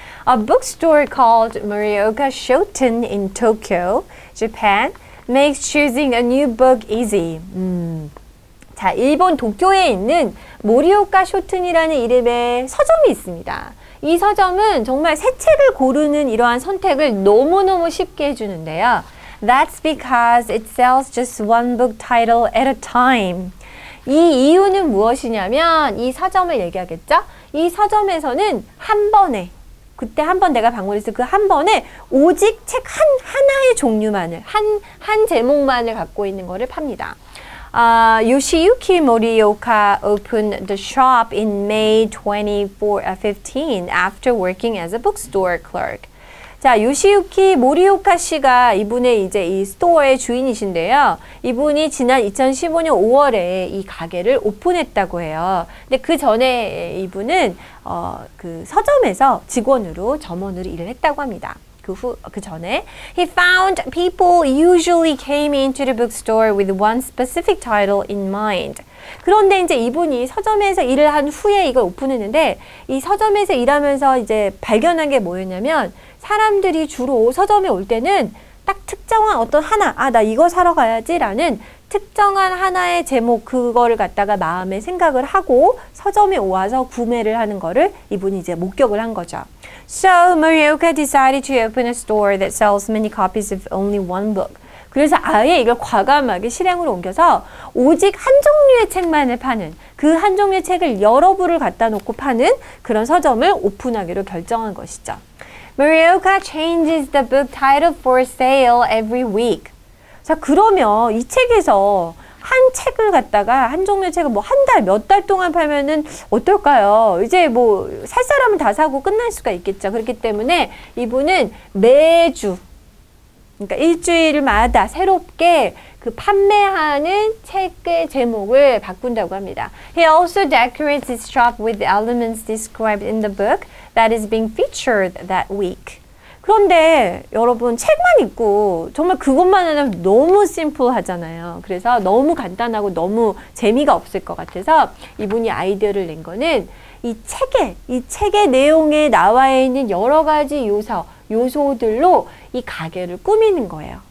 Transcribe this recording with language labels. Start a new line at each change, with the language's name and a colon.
English: A bookstore called Morioka Shoten in Tokyo, Japan makes choosing a new book easy.
Korean: 자, 일본 도쿄에 있는 모리오카 쇼튼이라는 이름의 서점이 있습니다. 이 서점은 정말 새 책을 고르는 이러한 선택을 너무너무 쉽게 해주는데요.
English: That's because it sells just one book title at a time.
Korean: 이 이유는 무엇이냐면 이 서점을 얘기하겠죠? 이 서점에서는 한 번에 그때 한번 내가 방문해서 그 한 번에 오직 책 한 하나의 종류만을 한 제목만을 갖고 있는 거를 팝니다.
English: Yoshiyuki Morioka opened the shop in May 2015 after working as a bookstore clerk.
Korean: 자, 요시유키 모리오카 씨가 이분의 이제 이 스토어의 주인이신데요. 이분이 지난 2015년 5월에 이 가게를 오픈했다고 해요. 근데 그 전에 이분은 그 서점에서 직원으로 점원으로 일을 했다고 합니다. 그 전에
English: he found people usually came into the bookstore with one specific title in mind.
Korean: 그런데 이제 이분이 서점에서 일을 한 후에 이걸 오픈했는데 이 서점에서 일하면서 이제 발견한 게 뭐였냐면 사람들이 주로 서점에 올 때는 딱 특정한 어떤 하나, 아, 나 이거 사러 가야지 라는 특정한 하나의 제목 그거를 갖다가 마음에 생각을 하고 서점에 와서 구매를 하는 거를 이분이 이제 목격을 한 거죠.
English: So, Morioka decided to open a store that sells many copies of only one book.
Korean: 그래서 아예 이걸 과감하게 실행으로 옮겨서 오직 한 종류의 책만을 파는 그 한 종류의 책을 여러 부를 갖다 놓고 파는 그런 서점을 오픈하기로 결정한 것이죠.
English: Morioka changes the book title for sale every week.
Korean: 자, 그러면 이 책에서 한 책을 갖다가 한 종류의 책을 뭐 한 달, 몇 달 동안 팔면은 어떨까요? 이제 뭐 살 사람은 다 사고 끝날 수가 있겠죠. 그렇기 때문에 이분은 매주, 그러니까 일주일마다 새롭게 그 판매하는 책의 제목을 바꾼다고 합니다.
English: He also decorates his shop with elements described in the book that is being featured that week.
Korean: 그런데 여러분 책만 있고 정말 그것만 하면 너무 심플하잖아요. 그래서 너무 간단하고 너무 재미가 없을 것 같아서 이분이 아이디어를 낸 거는 이 책에, 이 책의 내용에 나와 있는 여러 가지 요소들로 이 가게를 꾸미는 거예요.